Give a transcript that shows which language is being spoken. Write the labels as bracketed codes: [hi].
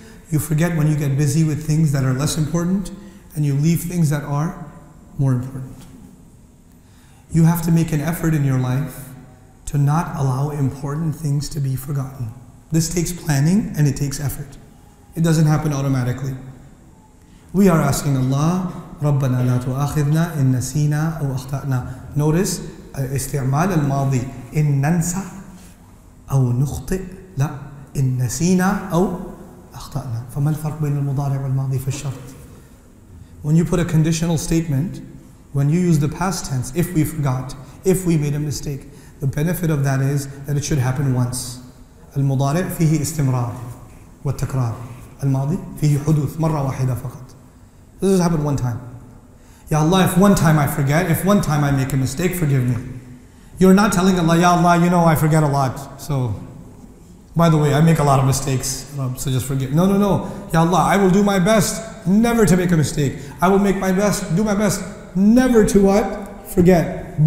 [en] You forget when you get busy with things that are less important and you leave things that are more important. You have to make an effort in your life to not allow important things to be forgotten. This takes planning and it takes effort. It doesn't happen automatically. We are asking Allah [ar] رَبَّنَا لَا تُؤَاخِذْنَا إِن نَسِيْنَا أَوْ أَخْطَأْنَا. [en] Notice [ar] استعمال الماضي إِن نَنْسَ أَوْ نُخْطِئْ. لا إِن نَسِيْنَا أَوْ أَخْطَأْنَا. فما الفرق بين المضارع والماضي في الشرط؟ [en] When you put a conditional statement, when you use the past tense, if we forgot, if we made a mistake, the benefit of that is that it should happen once. [ar] المضارع فيه استمرار والتكرار. الماضي فيه حدوث مرة واحدة فقط. [en] This has happened one time. Ya Allah, if one time I forget, if one time I make a mistake, forgive me. You're not telling Allah, Ya Allah, you know I forget a lot. So, by the way, I make a lot of mistakes. So just forgive. No, no, no. Ya Allah, I will do my best never to make a mistake. I will make my best, do my best never to what? Forget.